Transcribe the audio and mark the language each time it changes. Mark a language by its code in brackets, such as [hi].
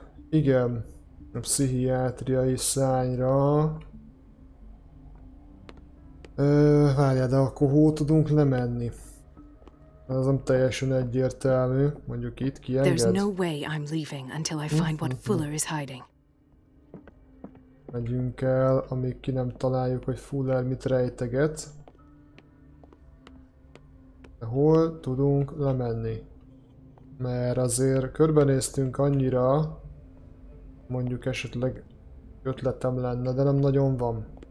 [hu] Igen. A pszichiátriai szányra. Várjál, de akkor hol tudunk lemenni? Ez nem teljesen egyértelmű, mondjuk itt kienged. [en] There's no way I'm leaving until I find what Fuller is hiding. [hu] Megyünk el, amíg ki nem találjuk, hogy Fuller mit rejteget. De hol tudunk lemenni? Mert azért körbenéztünk annyira, mondjuk esetleg ötletem lenne, de nem nagyon van.